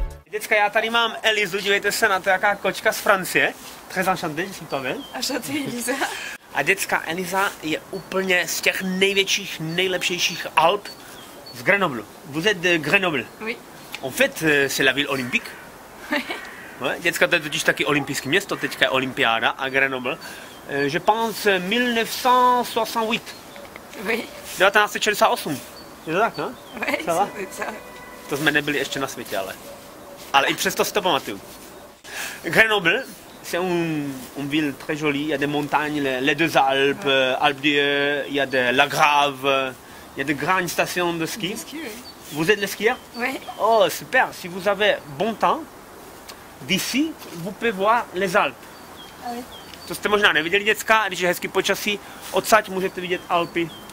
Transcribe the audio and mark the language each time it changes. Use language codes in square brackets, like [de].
[cs] Děcka, já tady mám Elizu, dívejte se na to, jaká kočka z Francie. [fr] Très enchanté, [cs] je to vy. [fr] Enchanté, Eliza. [cs] A děcka Eliza je úplně z těch největších, nejlepšejších Alp z Grenoble. [fr] Vous êtes de Grenoble? Oui. En fait, c'est la ville olympique. Oui. [cs] Děcka, to je totiž taky olympijské město, teďka je olympiáda a Grenoble. [fr] Je pense 1968. Oui. [cs] 1968. Je to tak, no? [fr] Oui, [cs] to jsme nebyli ještě na světě, ale... Ale i přesto si to pamatuju. [fr] Grenoble, c'est une ville très jolie, il y a des montagnes, les deux Alpes, Alpes d'Huez, il y a de la Grave, il y a de grandes stations de ski. De ski, oui. Vous êtes le skieur? Oui. Oh, super, si vous avez bon temps, d'ici, vous pouvez voir les Alpes. Oui. [cs] To jste možná neviděli, děcka, když je hezký počasí, odsaď můžete vidět Alpy.